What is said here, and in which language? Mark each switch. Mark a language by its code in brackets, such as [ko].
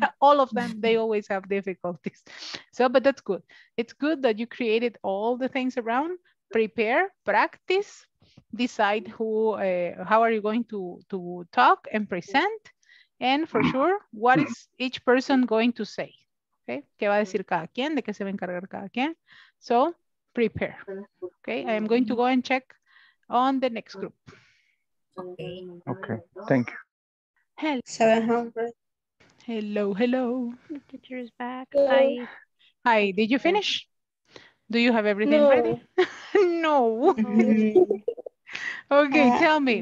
[en] All of them, they always have difficulties. So, but that's good. It's good that you created all the things around. Prepare, practice, decide who, how are you going to talk and present. And for sure, what is each person going to say? [es] Okay, ¿qué va a decir cada quien? ¿De qué se va a encargar cada quien? [en] So, prepare. Okay, I am going to go and check on the next group. Okay. Okay, thank you. Hello. 700. Hello, hello. The teacher is back. Hello. Hi. Hi, did you finish? Do you have everything ready? No. Okay, tell me.